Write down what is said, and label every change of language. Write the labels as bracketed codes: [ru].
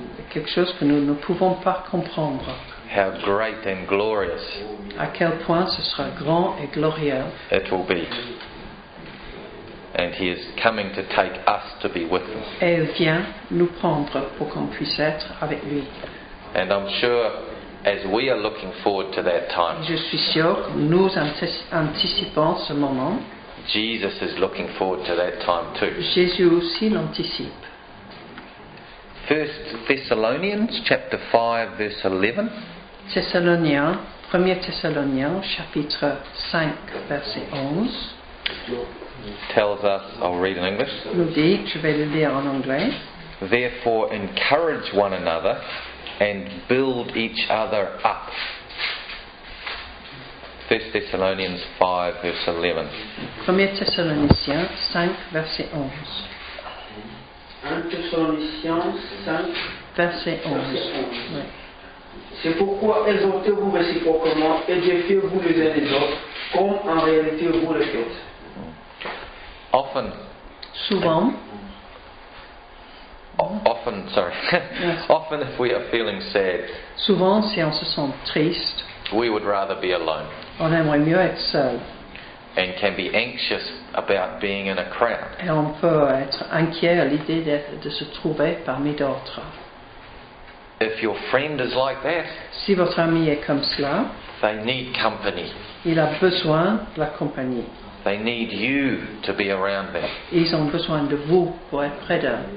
[fr] Quelque chose que nous ne pouvons pas comprendre. [en] How great and glorious. [fr] À quel point ce sera grand et glorieux. [en] It will be. And he is coming to take us to be with him. [fr] Et il vient nous prendre pour qu'on puisse être avec lui. [en] And I'm sure, as we are looking forward to that time, [fr] je suis sûr que nous anticipons ce moment. [en] Jesus is looking forward to that time too. [fr] Jésus aussi l'anticipe. [en] 1 Thessalonians chapter 5 verse 11. [fr] Thessaloniens, 1 Thessaloniens chapitre 5 verset 11. [en] Tells us, I'll read in English. [fr] Nous dit, je vais le lire en anglais. [en] Therefore, encourage one another and build each other up. 1 Thessalonians 5, verse 11. [fr] 1 Thessaloniciens 5, verset 11. 1 Thessaloniciens 5, verset 11. Oui. C'est pourquoi exhortez-vous réciproquement et défiez-vous les uns les autres, comme en réalité vous le faites. [en] Often if we are feeling sad, [fr] souvent si on se sent triste, [en] we would rather be alone. [fr] On aimerait mieux être seul. [en] And can be anxious about being in a crowd. [fr] Et on peut être inquiet à l'idée de se trouver parmi d'autres. [en] If your friend is like that, [fr] si votre ami est comme cela, [en] They need company. [fr] Il a besoin de la compagnie. [en] They need you to be around them. [fr] Ils ont besoin de vous pour être près d'eux.